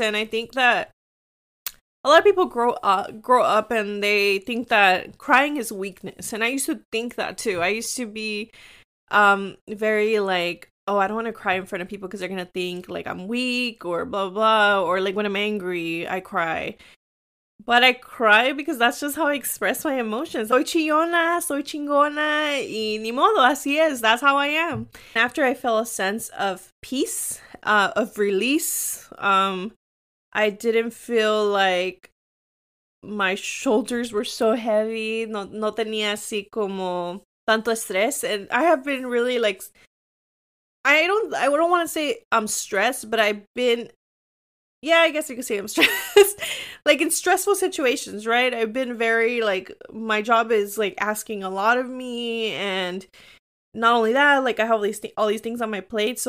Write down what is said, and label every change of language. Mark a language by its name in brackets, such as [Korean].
[English] And I think that a lot of people grow up and they think that crying is weakness. And I used to think that too. I used to be very like, oh, I don't want to cry in front of people because they're going to think like I'm weak or blah, blah, blah. Or like when I'm angry, I cry. But I cry because that's just how I express my emotions. [Spanish] Soy chillona, soy chingona, y ni modo, así es. [English] That's how I am. And after I felt a sense of peace, of release, I didn't feel like my shoulders were so heavy. [Spanish] No tenía así como tanto estrés. [English] And I have been really like, I don't want to say I'm stressed, but I've been, yeah, I guess you could say I'm stressed. Like, in stressful situations, right? I've been very like, my job is like asking a lot of me. And not only that, like, I have all these things on my plate.